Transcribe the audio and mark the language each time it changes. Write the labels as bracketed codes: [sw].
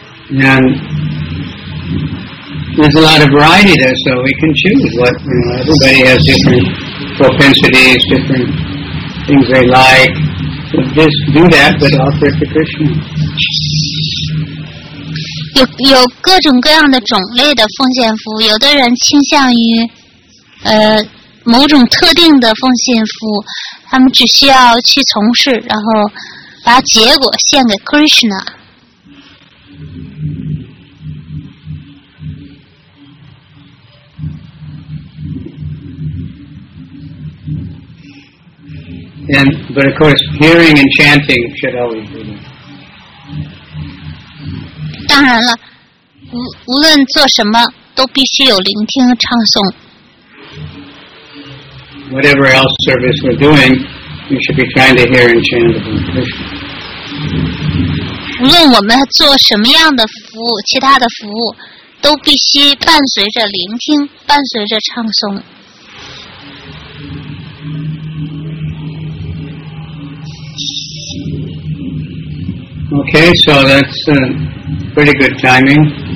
[en] There's a lot of variety there, so we can choose what, you know, everybody has different propensities, different things they like, just do that, but offer it to Krishna. [zh] 有各种各样的种类的奉献服务，有的人倾向于，某种特定的奉献服务，他们只需要去从事，然后把结果献给 Krishna。 [en] And, but of course, hearing and chanting should always be there. [zh] 当然了，无论做什么，都必须有聆听和唱诵。 [en] Whatever else service we're doing, we should be trying to hear and chant about Krishna. [zh] 无论我们做什么样的服务，其他的服务，都必须伴随着聆听，伴随着唱诵。 [en] Okay, so that's a pretty good timing.